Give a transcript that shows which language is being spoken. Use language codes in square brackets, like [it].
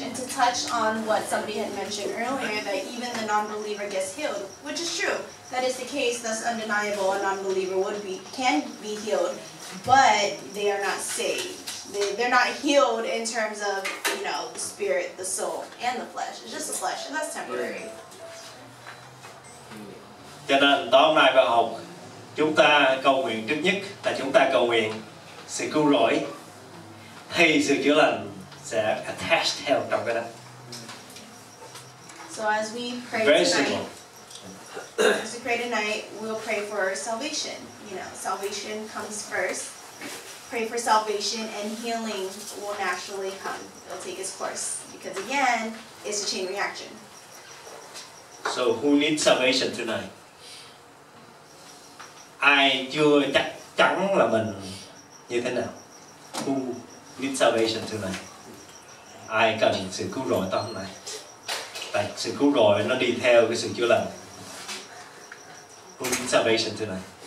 [en] And to touch on what somebody had mentioned earlier, that even the non-believer gets healed, which is true. That is the case, that's undeniable. A non-believer would be, can be healed, but they are not saved. They're not healed in terms of, you know, the spirit, the soul, and the flesh. It's just the flesh, and that's temporary. [vi] Cho nên tối hôm nay bà Hồng, chúng ta cầu nguyện trước nhất là chúng ta cầu nguyện sự cứu rỗi thì sự chữa lành sẽ attach theo trong cái đó. [en] So as we pray tonight, we'll pray for salvation. You know, salvation comes first. Pray for salvation and healing will naturally come. It'll take its course because again, it's a chain reaction. So who needs salvation tonight? [vi] Ai chưa chắc chắn là mình như thế nào? [en] Who needs salvation tonight? [vi] Ai cần sự cứu rỗi tối hôm nay? Tại sự cứu rỗi nó đi theo cái sự chữa lành. [en] Who needs salvation tonight?